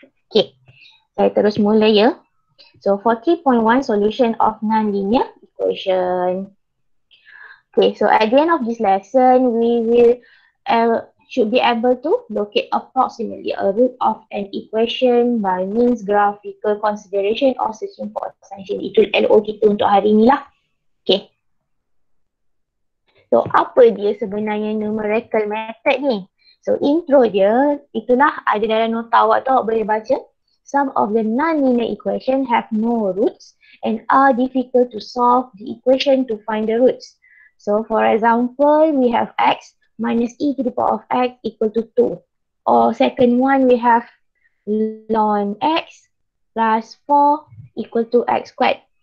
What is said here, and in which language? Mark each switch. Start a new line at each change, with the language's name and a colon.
English: Okay,
Malay: saya terus mula ya.
English: So, for 3.1, solution of non-linear equation. Okay, so at the end of this lesson, we will should be able to locate approximately a root of an equation by means graphical consideration or searching for extension.
Malay: Itu LO kita untuk hari ni lah.
English: Okay.
Malay: So, apa dia sebenarnya numerical method ni? So, intro dia, itulah ada dalam nota awak tu, awak boleh baca.
English: Some of the non-linear equation have no roots and are difficult to solve the equation to find the roots. So, for example, we have x minus e to the power of x equal to 2. Or second one, we have ln x plus 4 equal to x squared.